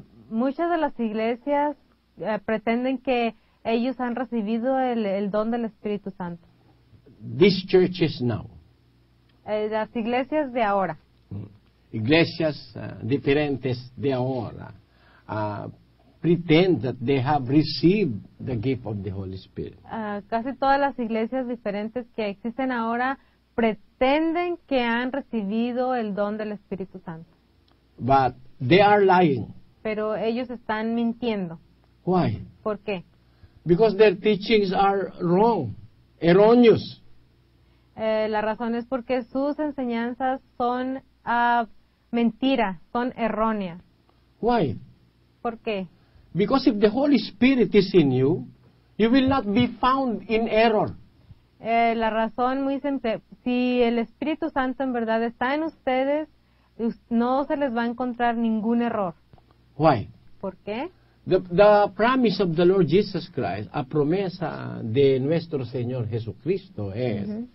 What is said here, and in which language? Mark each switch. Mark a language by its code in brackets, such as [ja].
[es] Muchas de las iglesias pretenden que ellos han recibido el don del Espíritu Santo. [en] These churches now. [es] Las iglesias de ahora. Iglesias diferentes de ahora [en] pretend that they have received the gift of the Holy Spirit. [es] Casi todas las iglesias diferentes que existen ahora pretenden que han recibido el don del Espíritu Santo. [en] But they are lying. [es] Pero ellos están mintiendo. [en] Why? [es] ¿Por qué? [en] Because their teachings are wrong, erroneous. [es] La razón es porque sus enseñanzas son mentiras, son erróneas. [en] Why? [es] ¿Por qué? [en] Because if the Holy Spirit is in you, you will not be found in error. [es] La razón muy simple, si el Espíritu Santo en verdad está en ustedes, no se les va a encontrar ningún error. [en] Why? [es] ¿Por qué? [en] The promise of the Lord Jesus Christ, [es] a promesa de nuestro Señor Jesucristo es,